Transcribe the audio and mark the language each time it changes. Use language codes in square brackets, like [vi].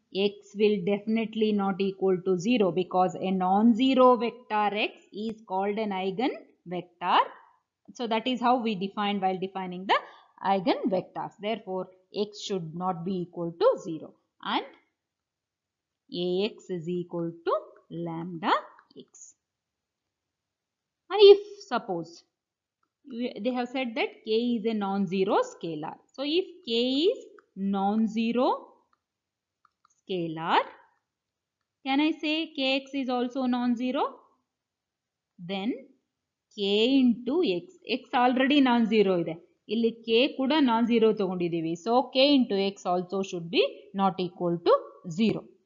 [en] x will definitely not equal to 0 because a non-zero vector x is called an eigen vector. So that is how we defined while defining the eigen vectors. Therefore x should not be equal to zero and A x is equal to lambda x. And if suppose they have said that k is a non zero scalar, So if k is non-zero scalar, can I say kx is also non-zero? Then k into x, x already non-zero ide. [kn] Illi k kuda non-zero tagondidivi. [en] So k into x also should be not equal to 0.